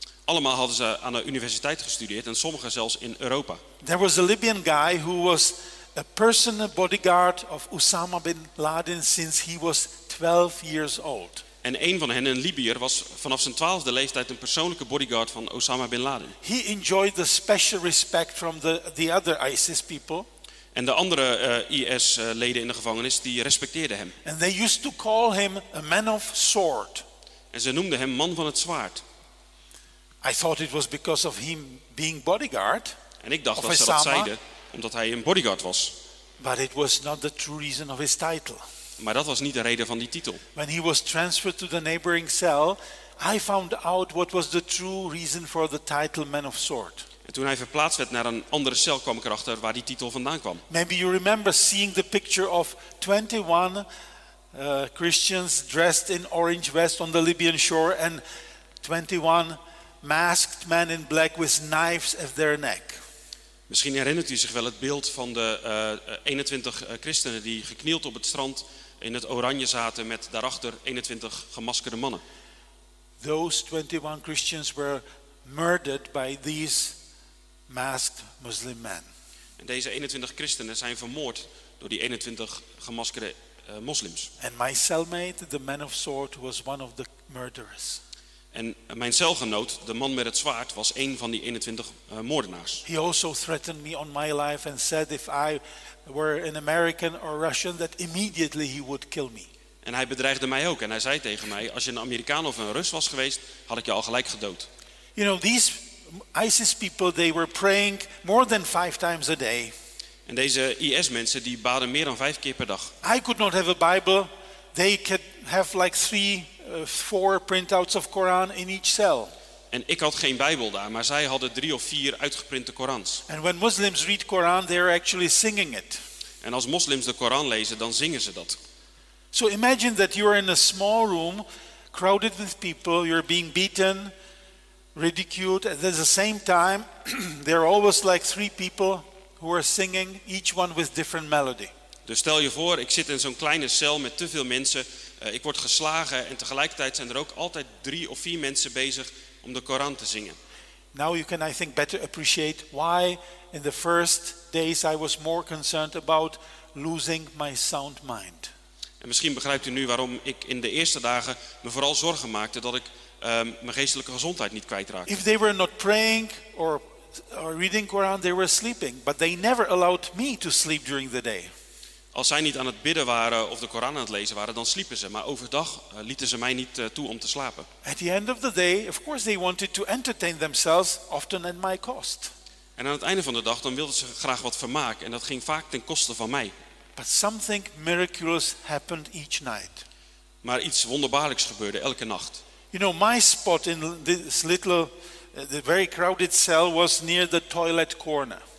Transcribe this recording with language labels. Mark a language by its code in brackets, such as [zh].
[nl] Allemaal hadden ze aan de universiteit gestudeerd en sommigen zelfs in Europa. [en] There was a Libyan guy who was a personal bodyguard of Osama bin Laden since he was 12 years old. [nl] En een van hen, een Libiër, was vanaf zijn 12e leeftijd een persoonlijke bodyguard van Osama bin Laden. [en] He enjoyed the special respect from the other ISIS people. [nl] En de andere IS-leden in de gevangenis die respecteerden hem. [en] And they used to call him a man of sword. [nl] En ze noemden hem man van het zwaard. [en] I thought it was because of him being bodyguard. [nl] En ik dacht dat ze dat zeiden omdat hij een bodyguard was. [en] But it was not the true reason of his title. [nl] Maar dat was niet de reden van die titel. [en] When he was transferred to the neighboring cell, I found out what was the true reason for the title man of sword. [nl] En toen hij verplaatst werd naar een andere cel, kwam ik erachter waar die titel vandaan kwam. [en] Maybe you remember seeing the picture of 21 Christians dressed in orange vest on the Libyan shore and 21 masked men in black with knives at their neck. [nl] Misschien herinnert u zich wel het beeld van de 21 christenen die geknield op het strand in het oranje zaten met daarachter 21 gemaskerde mannen. [en] Those 21 Christians were murdered by these masked Muslim men. [nl] En deze 21 christenen zijn vermoord door die 21 gemaskerde moslims. [en] And my cellmate, the man of sword, was one of the murderers. [nl] En mijn celgenoot, de man met het zwaard, was een van die 21 moordenaars. [en] He also threatened me on my life and said if I were an American or Russian that immediately he would kill me. [nl] En hij bedreigde mij ook en hij zei tegen mij: als je een Amerikaan of een Rus was geweest, had ik je al gelijk gedood. [en] You know, these ISIS people, they were praying more than 5 times a day. [nl] En deze IS-mensen die baden meer dan 5 keer per dag. [en] I could not have a Bible. They could have like 3-4 printouts of Koran in each cell. [nl] En ik had geen Bijbel daar, maar zij hadden 3 of 4 uitgeprinte Korans. [en] And when Muslims read Koran, they are actually singing it. [nl] En als moslims de Koran lezen, dan zingen ze dat. [en] So imagine that you are in a small room, crowded with people, you're being beaten, ridiculed. At the same time, there are always like three people who are singing, each one with different melody. [nl] Dus stel je voor, ik zit in zo'n kleine cel met te veel mensen. Ik word geslagen en tegelijkertijd zijn er ook altijd drie of vier mensen bezig om de Koran te zingen. [en] Now you can, I think, better appreciate why in the first days I was more concerned about losing my sound mind. [nl] En misschien begrijpt u nu waarom ik in de eerste dagen me vooral zorgen maakte dat ik mijn geestelijke gezondheid niet kwijtraakte. [en] If they were not praying or reading Koran, they were sleeping, but they never allowed me to sleep during the day. [nl] Als zij niet aan het bidden waren of de Koran aan het lezen waren, dan sliepen ze. Maar overdag lieten ze mij niet toe om te slapen. [en] At the end of the day, of course, they wanted to entertain themselves, often at my cost. [nl] En aan het einde van de dag, dan wilden ze graag wat vermaak, en dat ging vaak ten koste van mij. [en] But something miraculous happened each night. [nl] Maar iets wonderbaarlijks gebeurde elke nacht. [en] You know, my spot in this little, the very crowded cell was near the toilet corner.